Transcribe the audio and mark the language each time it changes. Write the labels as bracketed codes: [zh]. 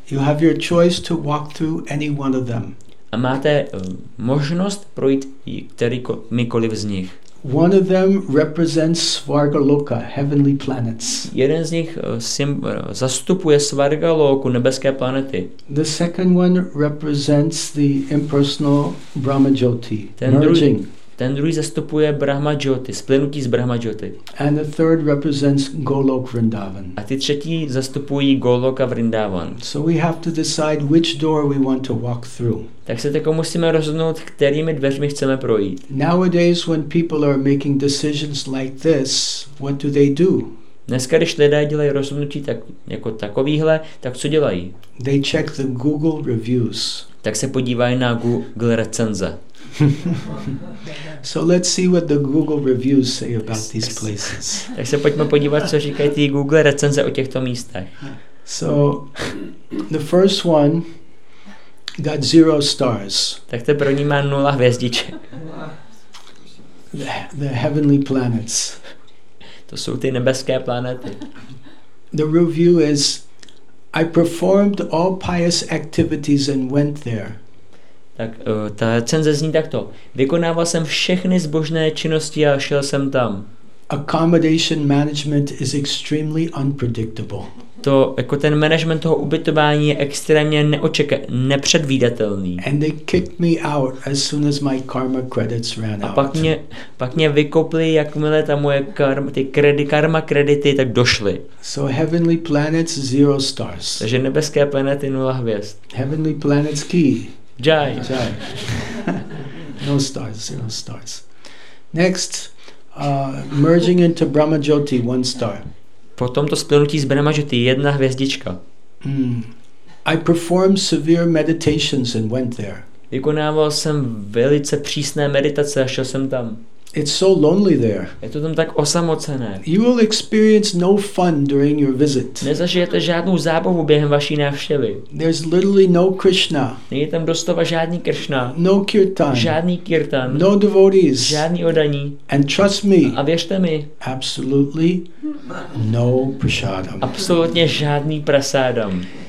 [en] You have your choice to walk through any one of them. [cs] A máte možnost projít kterýmikoliv z nich. [en] One of them represents Svargaloka, heavenly planets. [cs] Jeden z nich zastupuje Svargaloku, nebeské planety. [en] The second one represents the impersonal Brahmajyoti, merging. [cs] Ten druhý zastupuje Brahmajyoti, splynutí s Brahmajyoti. [en] And the third represents Golok Vrindavan. [cs] A ty třetí zastupují Goloka Vrindavan. [en] So we have to decide which door we want to walk through. [cs] Tak se tak musíme rozhodnout, kterými dveřmi chceme projít. [en] Nowadays when people are making decisions like this, what do they do? [cs] Dneska, když lidé dělají rozhodnutí tak jako takovýhle, tak co dělají? [en] They check the Google reviews. [cs] Tak se podívají na Google recenze. [en] So let's see what the Google reviews say about these places. [cs] Tak se pojďme podívat, co říkají ty Google recenze o těchto místech. [en] So the first one got 0 stars. [cs] Tak to první má 0 hvězdiček. [en] The heavenly planets. [cs] To jsou ty nebeské planety. [en] The review is, I performed all pious activities and went there. [cs] Tak ta recenze zní takto. Vykonával jsem všechny zbožné činnosti a šel jsem tam. [en] Accommodation management is extremely unpredictable. [cs] To jako ten management toho ubytování je extrémně nepředvídatelný. [en] And they kicked me out as soon as my karma credits ran out. [cs] A pak mě vykopli, jakmile ta moje karma kredity tak došly. [en] So heavenly planets 0 stars. [cs] Takže nebeské planety 0 hvězd. [en] Heavenly planets key. Jai. Jai. No stars, no stars. Next, merging into Brahmajyoti, 1 star. [cs] Potom to splnutí s Brahmajyoti, 1 hvězdička. [en] I performed severe meditations and went there. [cs] Vykonával jsem velice přísné meditace a šel jsem tam. [en] It's so lonely there. [cs] Je to tam tak osamocené. [en] You will experience no fun during your visit. [cs] Nezažijete žádnou zábavu během vaší návštěvy. [en] There's literally no Krishna. [cs] Není tam doslova žádný Krishna. [en] No kirtan. [cs] Žádný kirtan. [en] No devotees. [cs] Žádný oddaní. [en] And trust me. [cs] A věřte mi. [en] Absolutely no prasadam. [cs] Absolutně žádný prasadam.